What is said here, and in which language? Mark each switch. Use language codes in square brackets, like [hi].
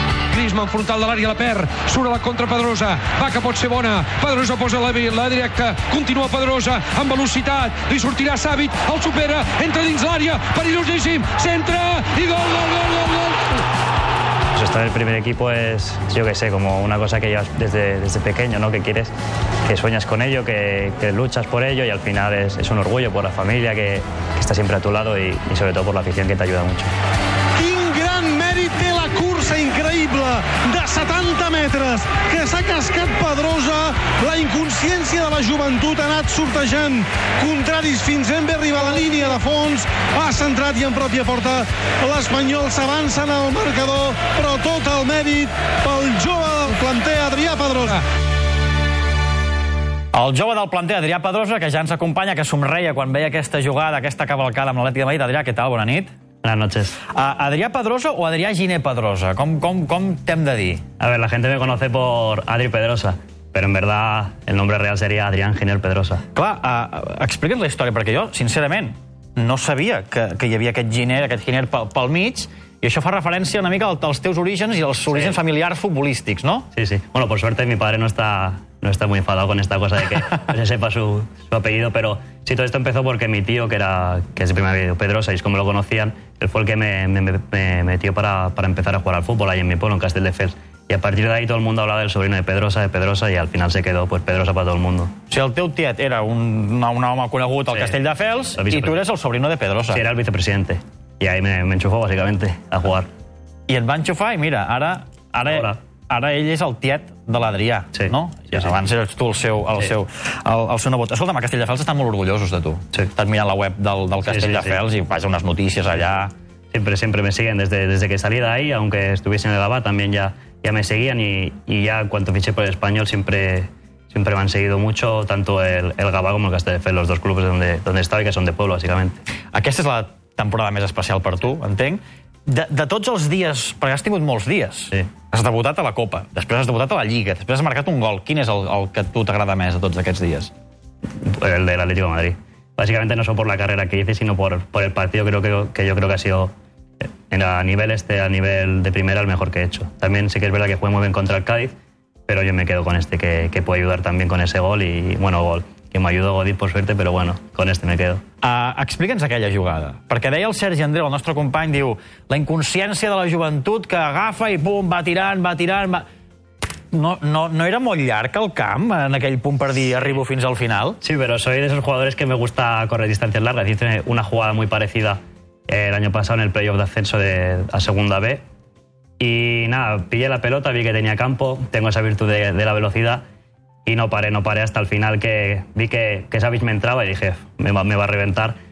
[ca] Griezmann, frontal de l'àrea, la perd, surt a la contra Pedrosa, va que pot ser bona, Pedrosa posa la directa, continua Pedrosa, amb velocitat, li sortirà Savic, el supera, entra dins l'àrea, perillosíssim, centra, i gol. [es] Estar en el primer equipo es, yo que sé, como una cosa que llevas desde pequeño, ¿no? Que quieres, que sueñas con ello, que luchas por ello, y al final es un orgullo por la familia que está siempre a tu lado y sobre todo por la afición que te ayuda mucho. [ca] Quin gran mèrit té la cursa increïble de 70 metres que s'ha cascat Pedrosa. La inconsciència de la joventut ha anat sortejant contraris fins a arribar a la línia de fons. Ha centrat i en pròpia porta. L'Espanyol s'avança en el marcador, però tot el mèrit pel jove del planter Adrià Pedrosa. El jove del planter Adrià Pedrosa, que ja ens acompanya, que somreia quan veia aquesta jugada, aquesta cavalcada amb l'Atlètic de Madrid. Adrià, què tal? Bona nit. [es] Buenas noches. [ca] ¿Adrià Pedrosa o Adrià Giné Pedrosa? ¿Cómo te hem de dir? [es] A ver, la gente me conoce por Adri Pedrosa, pero en verdad el nombre real sería Adrián Giné Pedrosa. [ca] Clar, explica'ns la història, perquè jo, sincerament, no sabia que hi havia aquest Giné pel mig, i això fa referència una mica als teus orígens i als orígens familiars futbolístics, no? [es] Sí, sí. Bueno, por suerte mi padre no está muy enfadado con esta cosa de que no se sepa su apellido, pero sí, todo esto empezó porque mi tío, que es el primer apellido Pedrosa, y es como lo conocían, él fue el que me metió para empezar a jugar al fútbol ahí en mi pueblo, en Castelldefels. Y a partir de ahí todo el mundo hablaba del sobrino de Pedrosa, y al final se quedó pues Pedrosa para todo el mundo. [ca] O sigui, el teu tiet era un home conegut al Castelldefels, i tu eres el sobrino de Pedrosa. [es] Sí, era el vicepresidente, y ahí me enchufó, básicamente, a jugar. [ca] I et va enchufar, i mira, ara ell és el tiet de l'Adrià, sí, no? Sí, sí. Abans eres tu el seu nebot. Escolta'm, a Castelldefels estan molt orgullosos de tu. Sí. Estan mirant la web del Castelldefels, sí, sí, sí. I vaja, unes notícies allà. [es] Sempre, sempre me siguen desde que salí d'ahí, aunque estuviesen en el Gavà, también ya me seguían y ya cuando fiché por el Español siempre me han seguido mucho, tanto el Gavà como el Castelldefels, los dos clubes donde estaba y que son de pueblo, básicamente. [ca] Aquesta és la temporada més especial per tu, entenc. De tots els dies, perquè has tingut molts dies, sí, has debutat a la Copa, després has debutat a la Lliga, després has marcat un gol. Quin és el que a tu t'agrada més de tots aquests dies? [es] El de l'Atlético de Madrid. Básicamente no solo por la carrera que hice, sino por el partido que yo creo que ha sido a nivel de primera el mejor que he hecho. También sé que es verdad que jugué muy bien contra el Cádiz, pero yo me quedo con este que puede ayudar también con ese gol y bueno, gol. Que m'ajuda Godí, por suerte, pero bueno, con este me quedo. [ca] Explica'ns aquella jugada. Perquè deia el Sergi Andreu, el nostre company, diu, la inconsciència de la joventut que agafa i pum, va tirant... No era molt llarg el camp en aquell punt per dir, arribo fins al final? [es] Sí, pero soy de esos jugadores que me gusta correr distancias largas. Hice una jugada muy parecida el año pasado en el playoff de ascenso a segunda B. Y nada, pillé la pelota, vi que tenía campo, tengo esa virtud de la velocidad... Y no paré hasta el final, que vi que Savic me entraba y dije, me va a reventar.